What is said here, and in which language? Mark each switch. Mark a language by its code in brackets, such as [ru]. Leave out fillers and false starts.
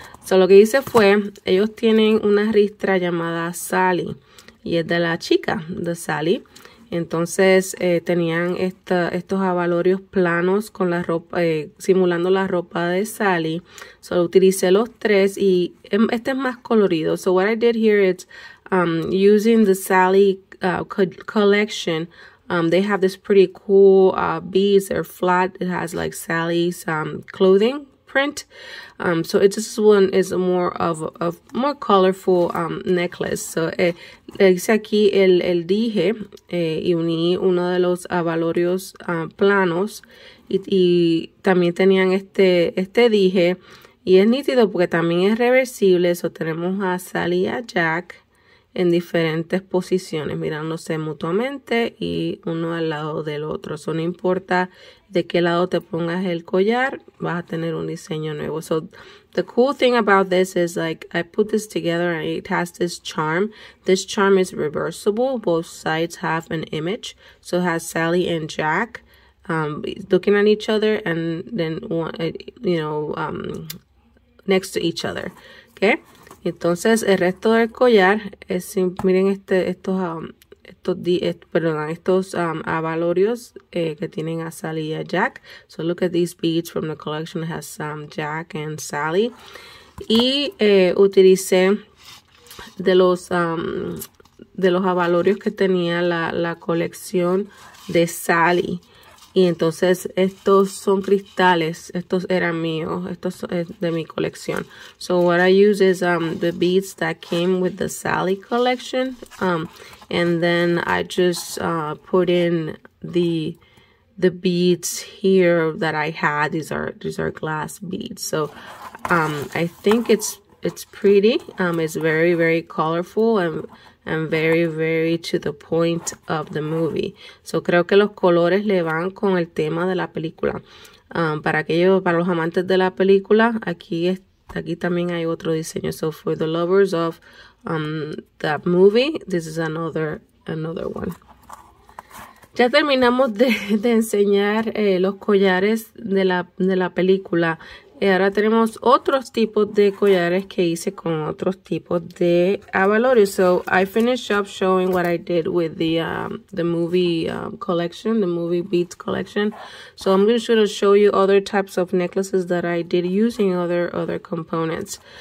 [es] So lo que hice fue, ellos tienen una ristra llamada Sally. Y es de la chica de Sally. Entonces tenían estos abalorios planos con la ropa, simulando la ropa de Sally. Solo utilicé los tres y este es más colorido. [en] So what I did here is using the Sally collection. They have this pretty cool beads. They're flat. It has like Sally's clothing print. So it's this one is more of more colorful necklace. [es] So hice aquí el dije y uní uno de los abalorios planos y también tenían este dije y es nítido porque también es reversible. So tenemos a Sally y a Jack en diferentes posiciones mirándose mutuamente y uno al lado del otro. So no importa de qué lado te pongas el collar, vas a tener un diseño nuevo. [en] So the cool thing about this is like I put this together and it has this charm. This charm is reversible. Both sides have an image. So it has Sally and Jack looking at each other and then one, you know, next to each other. Okay? [es] Entonces el resto del collar es, miren estos abalorios que tienen a Sally y a Jack. [en] So look at these beads from the collection. It has Sam, Jack and Sally. [es] Y utilicé de los abalorios que tenía la colección de Sally. Y entonces estos son cristales, estos eran míos, estos son de mi colección. [en] So what I use is the beads that came with the Sally collection. And then I just put in the beads here that I had. These are glass beads. So I think it's pretty. It's very, very colorful and very, very to the point of the movie. [es] So creo que los colores le van con el tema de la película. Para los amantes de la película, aquí también hay otro diseño. [en] So for the lovers of that movie, this is another one. [es] Ya terminamos de enseñar los collares de la película. Y ahora tenemos otros tipos de collares que hice con otros tipos de abalorios. [en] So I finished up showing what I did with the movie collection, the movie beads collection. So I'm going to show you other types of necklaces that I did using other components.